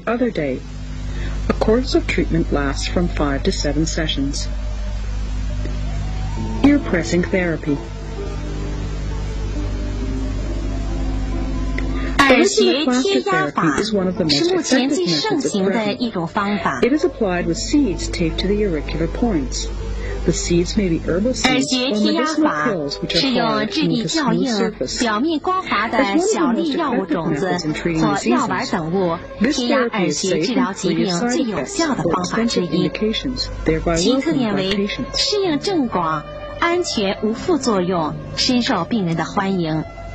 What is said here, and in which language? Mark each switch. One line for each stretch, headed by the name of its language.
English: A course of treatment lasts from 5 to 7 sessions. Ear pressing therapy.
Chinese: 耳穴贴压法是目前最盛行的一种方法。
English: It is applied with seeds taped to the auricular points. The seeds may be herbal seeds or medicinal pills, which are applied to the auricular surface.
Chinese: 耳穴贴压法是用质地较硬、表面光滑的小粒药物种子或药丸等物贴压耳穴治疗疾病最有效的方法之一。其特点为适应症广、安全无副作用、深受病人的欢迎。